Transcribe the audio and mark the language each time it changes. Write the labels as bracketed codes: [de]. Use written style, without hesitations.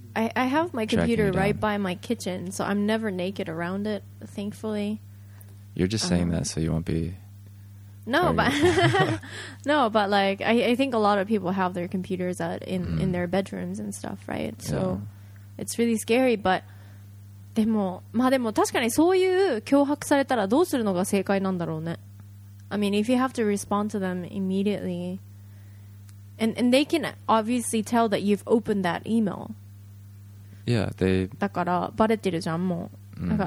[en] I have my computer right by my kitchen, so I'm never naked around it, thankfully. You're just saying that so you won't be... No, but... no, but, like, I think a lot of people have their computers in their bedrooms and stuff, right? So, it's really scary, but... [ja] でも、まあでも確かにそういう脅迫されたらどうするのが正解なんだろうね。 [en] I mean, if you have to respond to them immediately... And they can obviously tell that you've opened that email. Yeah, they... [ja] だから、バレてるじゃん、もう。